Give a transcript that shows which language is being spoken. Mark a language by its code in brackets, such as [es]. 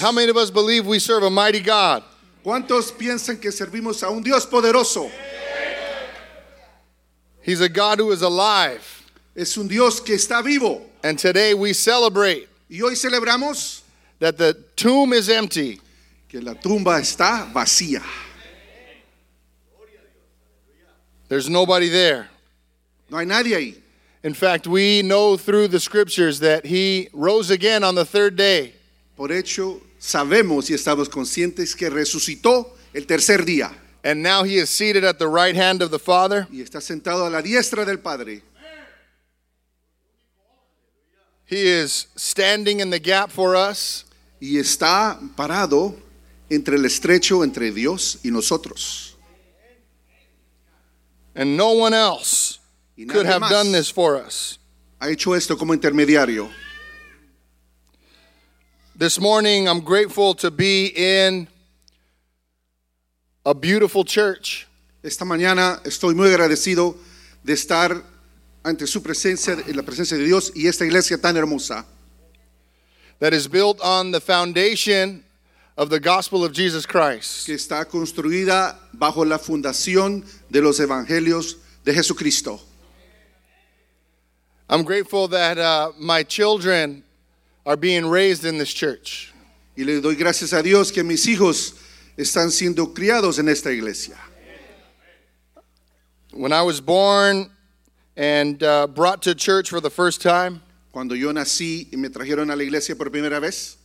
[en] How many of us believe we serve a mighty God? [es] ¿Cuántos piensan que servimos a un Dios poderoso? [en] He's a God who is alive. [es] Es un Dios que está vivo. [en] And today we celebrate. [es] Y hoy celebramos [en] that the tomb is empty. [es] Que la tumba está vacía. [en] There's nobody there. [es] No hay nadie ahí. [en] In fact, we know through the scriptures that he rose again on the third day. [es] Por hecho, sabemos y estamos conscientes que resucitó el tercer día. [en] And now he is seated at the right hand of the Father. [es] Y está sentado a la diestra del Padre. [en] He is standing in the gap for us. [es] Y está parado entre el estrecho entre Dios y nosotros. [en] And no one else could have done this for us. [es] Ha hecho esto como intermediario. [en] This morning, I'm grateful to be in a beautiful church. [es] Esta mañana estoy muy agradecido de estar ante su presencia, en la presencia de Dios y esta iglesia tan hermosa. [en] That is built on the foundation of the gospel of Jesus Christ. [es] Que está construida bajo la fundación de los evangelios de Jesucristo. [en] I'm grateful that my children are being raised in this church. [es] Y le doy gracias a Dios que mis hijos están siendo criados en esta iglesia. [en] When I was born and brought to church for the first time, [es] cuando yo nací y me trajeron a la iglesia por primera vez,